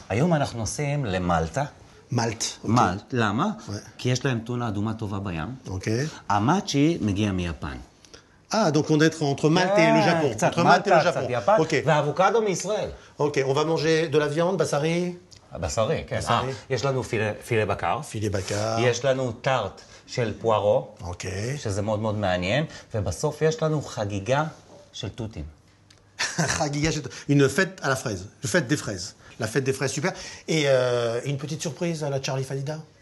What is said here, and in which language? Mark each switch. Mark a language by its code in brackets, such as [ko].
[he] היום אנחנו נוסעים למלטה. מלט. מלט. למה? כי יש להם טונה אדומה טובה בים. אוקיי. המאצ'י מגיע מיפן. [fr] Ah, donc on est entre Malte et le Japon. Entre Malte et le Japon. OK. [he] ואבוקדו מישראל. [fr] OK, on va manger de la viande, בשרי. [he] בשרי, כן. יש לנו פילה בקר. פילה בקר. יש לנו טארט של פוארו. אוקיי. שזה מאוד מאוד מעניין. ובסוף יש לנו חגיגה של תותים. חגיגה של תותים. [fr] Une fête à la fraise. Une fête des fraises. La fête des fraises, super. Et une petite surprise à la Charlie Fadida.